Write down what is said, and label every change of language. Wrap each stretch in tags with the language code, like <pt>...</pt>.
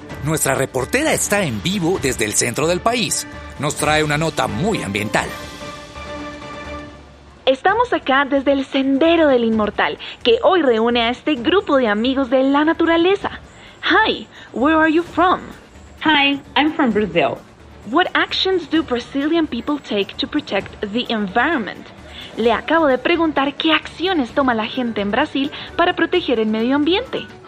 <es>Nuestra reportera está en vivo desde el centro del país. Nos trae una nota muy ambiental. estamos acá desde el Sendero del Inmortal, que hoy reúne a este grupo de amigos de la naturaleza.</es> <en>Hi, where are you from? Hi, I'm from Brazil. What actions do Brazilian people take to protect the environment?</en> <es>Le acabo de preguntar qué acciones toma la gente en Brasil para proteger el medio ambiente.</es>